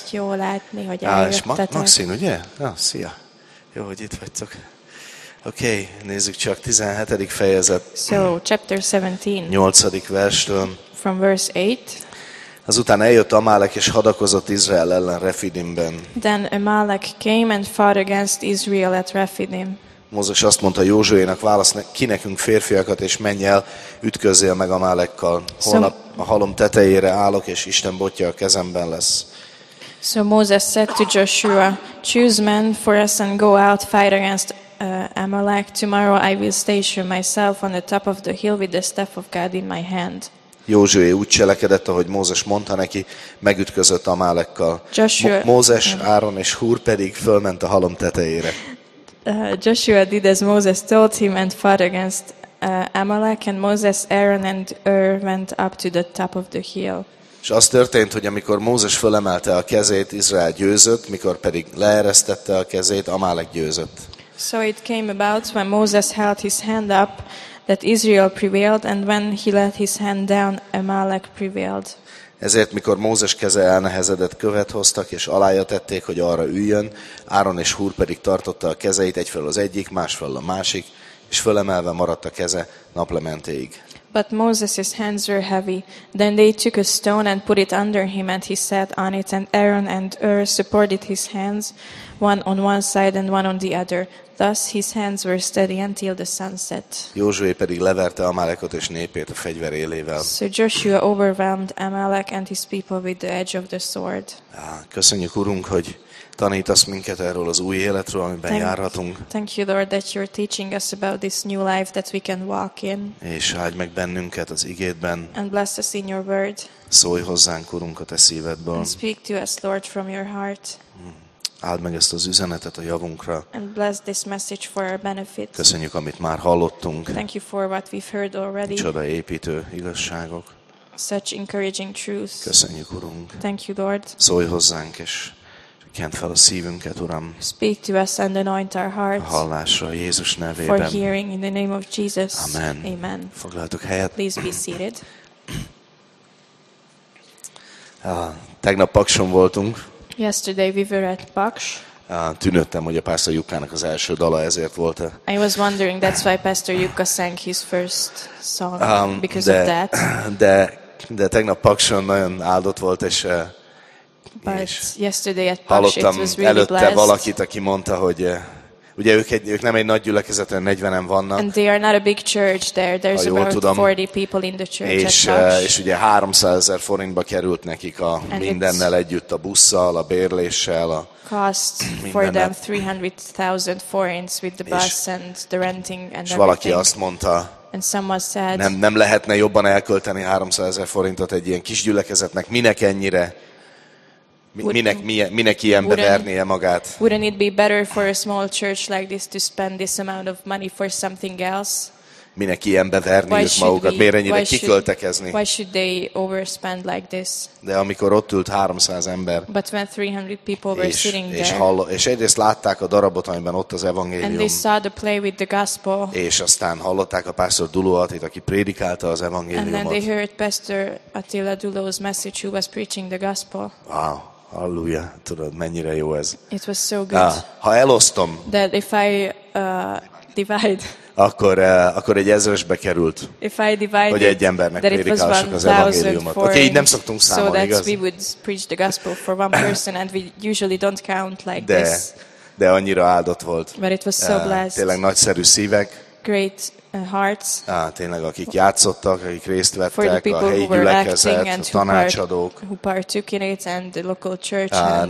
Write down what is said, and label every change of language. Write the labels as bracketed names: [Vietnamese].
[Hungarian] Jó látni, hogy eljöttetek. Maxine, ugye? Ja, szia. Jó, hogy itt vagytok. Oké, nézzük csak 17. fejezet. [English] So, chapter 17. [Hungarian] 8. verstől. [English] From verse 8. [Hungarian] Azután eljött Amálek és hadakozott Izrael ellen Refidimben. [English] Then Amalek came and fought against Israel at Refidim. [Hungarian] Mózes azt mondta Józsuénak, válasz ki nekünk férfiakat, és menj el, ütközzél meg Amálekkal. Holnap a halom tetejére állok, és Isten botja a kezemben lesz. [English] So Moses said to Joshua, choose men for us and go out, fight against Amalek. Tomorrow I will station myself on the top of the hill with the staff of God in my hand. [Hungarian] Józsué úgy cselekedett, ahogy Mózes mondta neki, megütközött Amálekkal. Mózes, Áron és Húr pedig fölment a halom tetejére. [English] Joshua did as Moses told him and fought against Amalek, and Moses, Aaron and Ur went up to the top of the hill. [Hungarian] És az történt, hogy amikor Mózes fölemelte a kezét, Izrael győzött, mikor pedig leeresztette a kezét, Amálek győzött. [English] So it came about when Moses held his hand up that Israel prevailed, and when he let his hand down, Amalek prevailed. [Hungarian] Ezért, mikor Mózes keze elnehezedett, követ hoztak, és alája tették, hogy arra üljön, Áron és Húr pedig tartotta a kezeit, egyfelől az egyik, másfelől a másik, és fölemelve maradt a keze naplementéig. [English] But Moses's hands were heavy. Then they took a stone and put it under him, and he sat on it, and Aaron and Ur supported his hands, one on one side and one on the other. Thus his hands were steady until the sun set. [Hungarian] Józsué pedig leverte Amalekot és népét a fegyver élével. [English] So Joshua overwhelmed Amalek and his people with the edge of the sword. [Hungarian] Köszönjük, Urunk, hogy tanítasz minket erről az új életről, amiben járhatunk. [English] Thank you, Lord, that you're teaching us about this new life that we can walk in. [Hungarian] És áldj meg bennünket az igédben. [English] And bless us in your word. [Hungarian] Szólj hozzánk, Urunk, a te szívedből. [English] And speak to us, Lord, from your heart. [Hungarian] Áld meg ezt az üzenetet a javunkra. [English] And bless this message for our benefit. [Hungarian] Köszönjük, amit már hallottunk. [English] Thank you for what we've heard already. [Hungarian] Csoda építő igazságok. [English] Such encouraging truths. [Hungarian] Köszönjük, Urunk. [English] Thank you, Lord. [Hungarian] Szólj hozzánk, és kent fel a szívünket, Uram. [English] Speak to us and anoint our hearts. [Hungarian] A hallásra Jézus nevében. [English] For hearing in the name of Jesus. [Hungarian] Amen. [English] Amen. [Hungarian] Foglaltok helyet. [English] Please be seated. [Hungarian] Tegnap Pakson voltunk. [English] Yesterday we were at Paks. [Hungarian] Tűnődtem, hogy a Pásztor Jukkának az első dala ezért volt. [English] I was wondering, that's why Pastor Jukka sang his first song, because of that. [Hungarian] De tegnap Pakson nagyon áldott volt, és [English] yesterday at Paks, [Hungarian] hallottam [English] it was really [Hungarian] előtte [English] blessed. [Hungarian] Valakit, aki mondta, hogy ugye ők nem egy nagy gyülekezet, 40-en vannak. [English] And they are not a big church there. There's about 40 people in the church. [Hungarian] És ugye 300,000 forintba került nekik a mindennel együtt, a busszal, a bérléssel, a [English] cost for them 300,000 forints with the bus and the renting and everything. [Hungarian] És valaki azt mondta, [English] and someone said, [Hungarian] nem lehetne jobban elkölteni 300,000 forintot egy ilyen kis gyülekezetnek, minek ennyire? Minek ilyen bevernie magát? [English] Wouldn't it be better for a small church like this to spend this amount of money for something else? [Hungarian] Minek ilyen bevernie magukat? Miért ennyire kiköltekezni? [English] Why should they overspend like this? [Hungarian] De amikor ott ült 300 ember, [English] but when 300 people were sitting there, [Hungarian] és egyrészt látták a darabot, amiben ott az evangélium, [English] and they saw the play with the gospel, [Hungarian] és aztán hallották a pásztor Dulo Attit, aki prédikálta az evangéliumot, [English] and then they heard Pastor Attila Dulo's message, who was preaching the gospel. Wow. [Hungarian] Halleluja, tudod, mennyire jó ez. [English] It was so good. [Hungarian] Ha elosztom, [English] that if I divide, [Hungarian] akkor egy ezresbe került, [English] if I divide, [Hungarian] hogy egy embernek prédikálsak az evangéliumot. Oké, így nem szoktunk számolni, [English] so [Hungarian] igaz? [English] We would preach the gospel for one person, and we usually don't count like [Hungarian] de, [English] this. [Hungarian] De annyira áldott volt. [English] But it was so blessed. [Hungarian] Tényleg nagyszerű szívek. [English] Great hearts. [Hungarian] Tényleg, akik játszottak, akik részt vettek, a helyi gyülekezet, a tanácsadók. [English] Who partook in it and the local church.